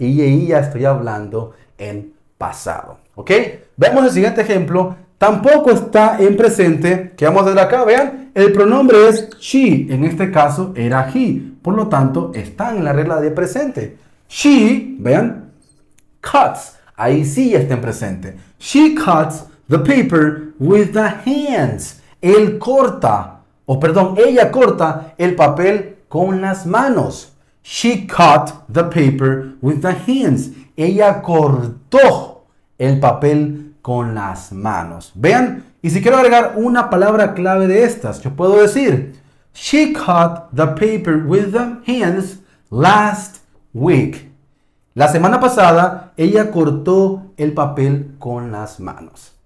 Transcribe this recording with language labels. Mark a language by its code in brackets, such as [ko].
[es] Y ahí ya estoy hablando en pasado, ¿ok? Veamos el siguiente ejemplo. Tampoco está en presente. ¿Qué vamos a ver acá? Vean, el pronombre es she. En este caso, era he. Por lo tanto, está en la regla de presente. She, vean, cuts. Ahí sí está en presente. [en] She cuts the paper with the hands. [es] Él corta, ella corta el papel con las manos. [en] She cut the paper with the hands. [es] Ella cortó el papel con las manos. Vean, y si quiero agregar una palabra clave de estas, yo puedo decir, [en] she cut the paper with the hands last week. [es] La semana pasada, ella cortó el papel con las manos.